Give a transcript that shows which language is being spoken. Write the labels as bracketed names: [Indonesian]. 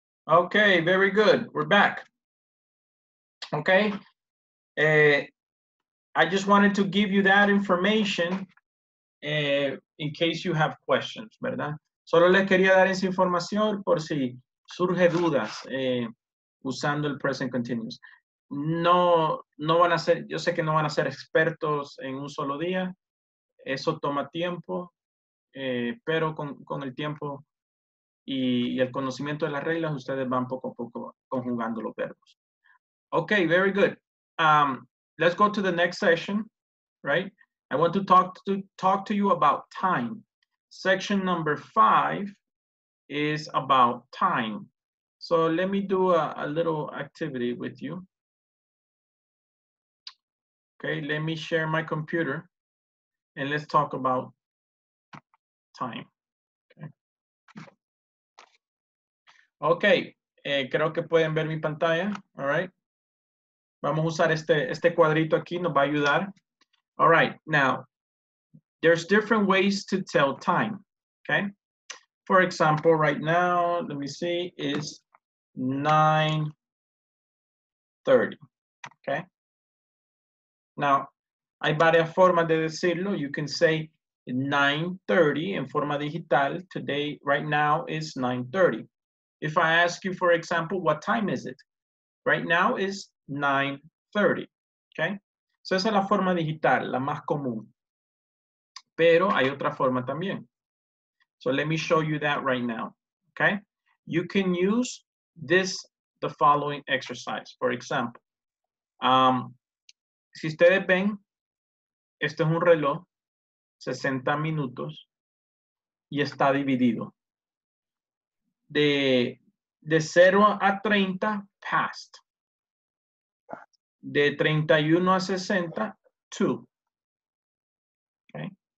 [English] Okay, very good. We're back. Okay. I just wanted to give you that information in case you have questions, [Spanish] ¿verdad? Solo les quería dar esa información por si surge dudas usando el present continuous. No van a ser, yo sé que no van a ser expertos en un solo día. Eso toma tiempo, pero con el tiempo y el conocimiento de las reglas, ustedes van poco a poco conjugando los verbos. [English] Okay, very good. Let's go to the next session, right? I want to talk to you about time. Section number 5 is about time. So let me do a little activity with you. Okay, let me share my computer and let's talk about time. [Spanish] Okay, creo que pueden ver mi pantalla, [English] all right? [Spanish] Vamos a usar este cuadrito aquí, nos va a ayudar. [English] All right, now, there's different ways to tell time, okay? For example, right now, let me see, it's 9:30, okay? Now, [Spanish] hay varias formas de decirlo. [English] You can say 9:30 [Spanish] en forma digital. [English] Today, right now, is 9:30. If I ask you, for example, what time is it? Right now is 9:30, okay? [Spanish] So esa es la forma digital, la más común. Pero hay otra forma también. [English] So let me show you that right now, okay? You can use this, the following exercise, for example. [Spanish] Si ustedes ven, este es un reloj, 60 minutos, y está dividido. De 0 a 30, past. De 31 a 60, 2. Okay.